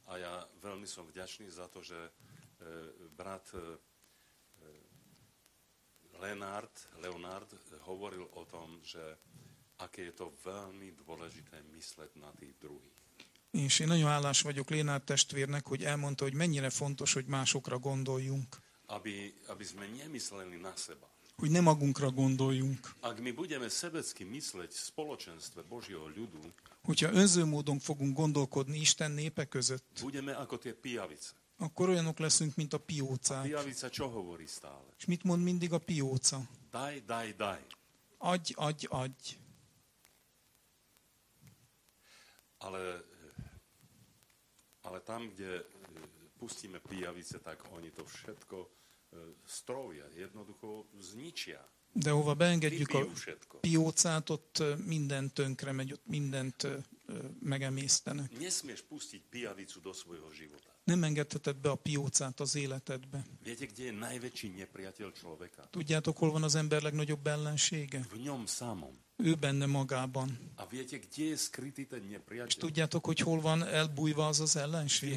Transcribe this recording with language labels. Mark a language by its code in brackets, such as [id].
[sk] A ja veľmi som vďačný za to, že brat Leonard hovoril o tom, že aké je to veľmi dôležité mysleť na tých druhých. [hu] És én nagyon hálás vagyok Leonard testvérnek, hogy elmondta, hogy mennyire fontos, hogy másokra gondoljunk. [sk] Aby sme nemysleli na seba. [hu] Hogy ne magunkra gondoljunk. [sk] Ak my budeme sebecky mysleť v spoločenstve Božieho ľudu, [hu] hogyha önző módon fogunk gondolkodni Isten népe között, [sk] budeme ako tie pijavice. [hu] Akkor olyanok leszünk, mint a piócák. [sk] A pijavica čo hovorí stále? [hu] És mit mond mindig a pióca? [sk] Daj, daj, daj. [hu] Adj, adj, adj. [sk] Ale tam, kde pustíme pijavice, tak oni to všetko strovia, jednoducho zničia. [hu] De hova beengedjük a piócát, ott minden tönkre megy, ott mindent megemésztenek. [sk] Nesmieš pustiť pijavicu do svojho života. [hu] Nem engedheted be a piócát az életedbe. [sk] Viete, kde je najväčší nepriateľ človeka? [hu] Tudjátok, hol van az ember legnagyobb ellensége? [sk] V ňom samom. [hu] Ő benne magában. [sk] A viete, kde je skrytý ten nepriateľ? [hu] És tudjátok, hogy hol van elbújva az az ellenség?